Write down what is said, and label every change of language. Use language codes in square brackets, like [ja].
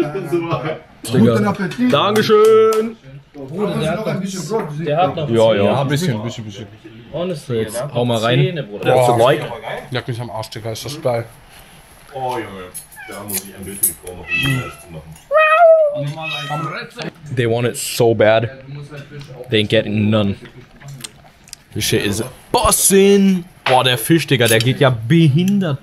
[de] Super. Guten Appetit. Dankeschön. Bruder, der hat noch ein bisschen Brot, der hat noch ein bisschen. [en] Honestly, [de] jetzt hau mal rein. Zähne, Bruder. Boah, like. Jagt mich am Arsch, Digga, ist das geil. Oh, Junge, da muss ich ein bisschen vormachen, um das zu machen. [en] They want it so bad, they ain't getting none. This shit is bossing. [de] Boah, der Fisch, Digga, der geht ja behindert.